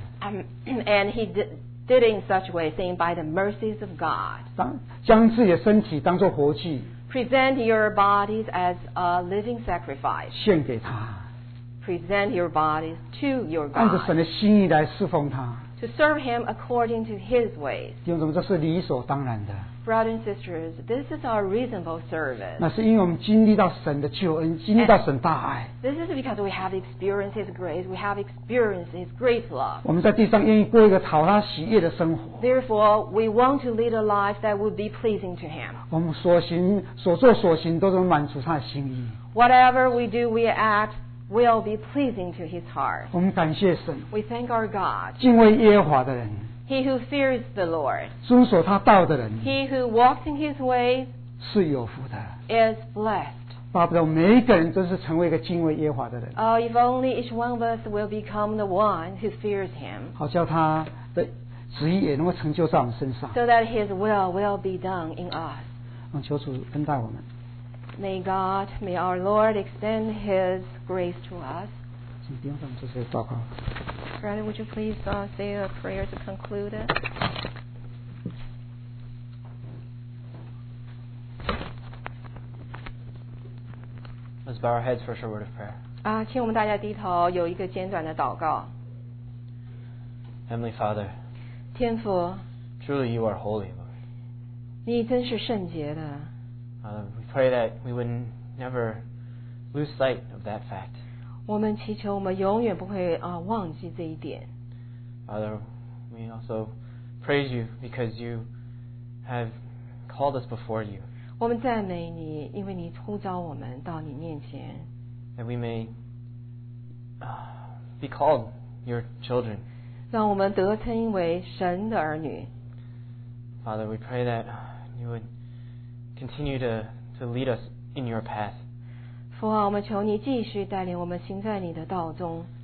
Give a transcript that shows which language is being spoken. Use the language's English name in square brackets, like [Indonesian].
[English] And he did it in such a way, saying, by the mercies of God, [Chinese] 将自己的身体当作活祭, [English] present your bodies as a living sacrifice. [Chinese] 献给他, [English] present your bodies to your God. [Chinese] 按着神的心意来侍奉他, [English] to serve him according to his ways. [Chinese] 弟兄姊妹, 这是理所当然的。 [English] Brothers and sisters, this is our reasonable service. [Chinese] 那是因为我们经历到神的救恩，经历到神大爱。 [English] This is because we have experienced His grace. We have experienced His great love. [Chinese] 我们在地上愿意过一个讨他喜悦的生活。 [English] Therefore, we want to lead a life that would be pleasing to Him. [Chinese] 我们所行所做所行都能满足他的心意。 [English] Whatever we do, we act will be pleasing to His heart. [Chinese] 我们感谢神。 [English] We thank our God. [Chinese] 敬畏耶和华的人。 [English] He who fears the Lord, [Chinese] 遵守他道的人, [English] he who walks in his ways, [Chinese] 是有福的, [English] is blessed. [Chinese] 巴不得每一个人都是成为一个敬畏耶和华的人。 [English] Oh, if only each one of us will become the one who fears him. [Chinese] 好叫他的旨意也能够成就在我们身上。 [English] So that his will be done in us. [Chinese] 让求主恩待我们。 [English] May God, may our Lord extend his grace to us. [Chinese] 请弟兄姊妹做些祷告。 [English] Brother, would you please say a prayer to conclude it? Let's bow our heads for a short word of prayer. [Chinese] 请我们大家低头，有一个简短的祷告。 [English] Heavenly Father, [Chinese] 天父 [English] truly you are holy, Lord. [Chinese] 你真是圣洁的。 [English] We pray that we would never lose sight of that fact. [Chinese] 我们祈求我们永远不会忘记这一点。 [English] Father, we also praise you because you have called us before you. [Chinese] 我们赞美你，因为你呼召我们到你面前。 [English] That we may be called your children. [Chinese] 让我们得称为神的儿女。 [English] Father, we pray that you would continue to lead us in your path. [Chinese] 父啊，我们求你继续带领我们行在你的道中。